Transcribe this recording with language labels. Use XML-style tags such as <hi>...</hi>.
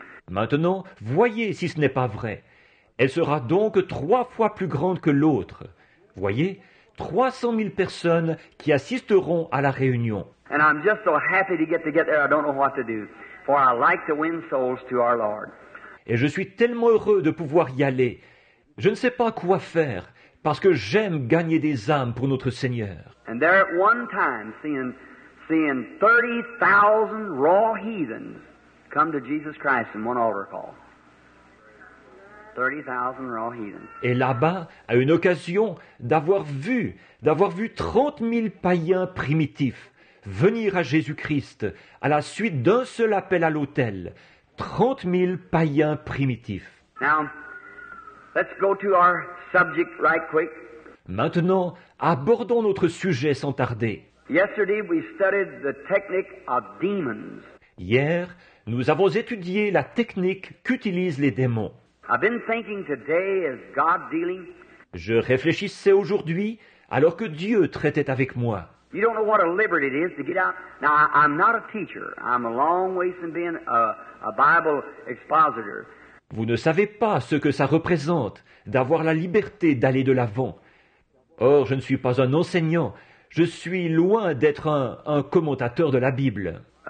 <fr>Maintenant, voyez si ce n'est pas vrai. Elle sera donc trois fois plus grande que l'autre. Voyez, 300,000 personnes qui assisteront à la réunion.</fr> <en>And I'm just so happy to get there. I don't know what to do, for I like to win souls to our Lord.</en> <fr>Et je suis tellement heureux de pouvoir y aller. Je ne sais pas quoi faire, parce que j'aime gagner des âmes pour notre Seigneur.</fr> <en>And there at one time, seeing 30,000 raw heathens come to Jesus Christ in one altar call. 30,000 raw heathens.</en> <fr>Et là-bas, à une occasion d'avoir vu 30,000 païens primitifs venir à Jésus-Christ à la suite d'un seul appel à l'autel. 30,000 païens primitifs.</fr> <en>Now, let's go to our subject right quick.</en> <fr>Maintenant, abordons notre sujet sans tarder.</fr> <en>Yesterday, we studied the technique of demons.</en> <fr>Hier, nous avons étudié la technique qu'utilisent les démons.</fr> <en>I've been thinking today as God dealing.</en> <fr>Je réfléchissais aujourd'hui alors que Dieu traitait avec moi.</fr> <en>You don't know what a liberty it is to get out. Now, I'm not a teacher. I'm a long ways from being a Bible expositor.</en> <fr>Vous ne savez pas ce que ça représente d'avoir la liberté d'aller de l'avant. Or, je ne suis pas un enseignant. Je suis loin d'être un commentateur de la Bible.</fr>